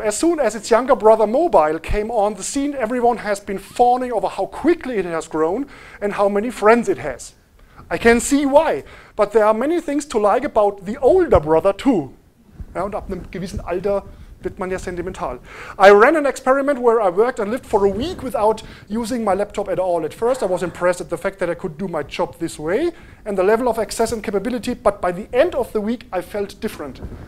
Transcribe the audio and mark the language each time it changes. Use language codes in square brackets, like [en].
[en] As soon as its younger brother mobile came on the scene, everyone has been fawning over how quickly it has grown and how many friends it has. I can see why, but there are many things to like about the older brother too. [de] Ja, und ab einem gewissen Alter wird man ja sentimental. [en] I ran an experiment where I worked and lived for a week without using my laptop at all. At first I was impressed at the fact that I could do my job this way and the level of access and capability, but by the end of the week I felt different.